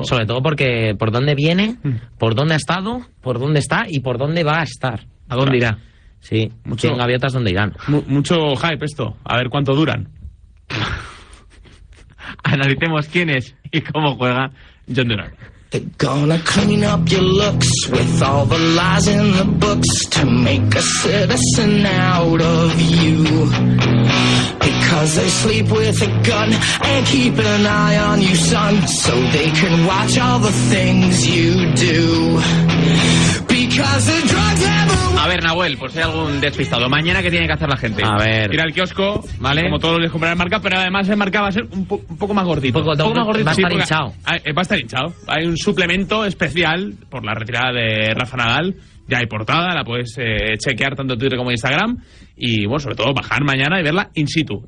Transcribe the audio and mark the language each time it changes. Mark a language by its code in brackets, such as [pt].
[es] Sobre todo porque por dónde viene, por dónde ha estado, por dónde está y por dónde va a estar. ¿A dónde irá? Sí, mucho, en gaviotas, ¿dónde irán? Mucho hype esto, a ver cuánto duran. Analicemos quién es y cómo juega John Durán. [en] They're gonna clean up your looks with all the lies in the books to make a citizen out of you. Because they sleep with a gun and keep an eye on you, son, so they can watch all the things you do. Because the drugs have [es] a... A ver, Nahuel, por si hay algún despistado, mañana, ¿qué tiene que hacer la gente? A ver. Ir al kiosco, ¿vale? Como todos los días, comprar en marca, pero además en marca va a ser un poco más gordito. Un poco más gordito. Va a estar hinchado. Va a estar hinchado. Hay un suplemento especial por la retirada de Rafa Nadal. Ya hay portada, la puedes chequear tanto en Twitter como en Instagram. Y bueno, sobre todo bajar mañana y verla in situ.